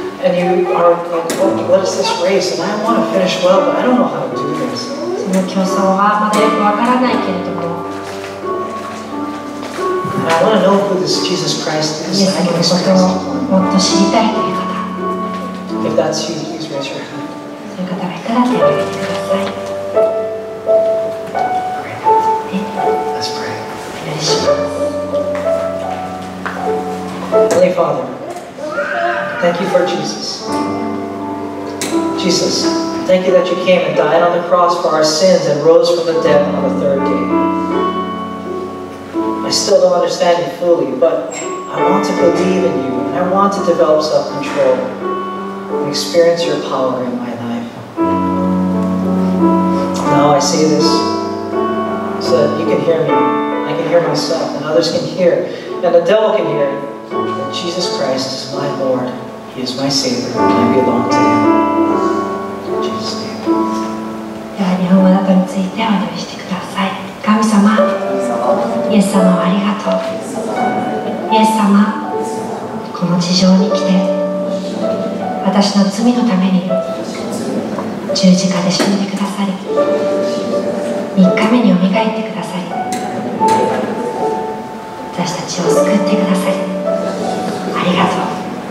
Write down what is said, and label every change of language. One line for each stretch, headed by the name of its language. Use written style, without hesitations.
English: And you are like, what is this race? And I want to finish well, but I don't know how to do this.
Japanese: その競争はまだよくわからないけれども。
English: And I want to know who this Jesus Christ is.
Japanese: イエス様のことをもっと知りたいという方。
English: If that's you, please raise your hand.
Japanese: そういう方がいたら手を挙げてください。
English: Heavenly Father, thank you for Jesus. Jesus, thank you that you came and died on the cross for our sins and rose from the dead on the third day. I still don't understand you fully, but I want to believe in you and I want to develop self-control and experience your power in my life. Now I say this so that you can hear me. I can hear myself and others can hear and the devil can hear that Jesus Christ is my Lord. He is my Savior and I belong to Him. In Jesus' name.
Japanese: やはり本物などについてお祈りしてください。神様、イエス様をありがとう。イエス様、この地上に来て私の罪のために十字架で死んでくださり、3日目によみがえってくださり、私たちを救ってくださりありがとう。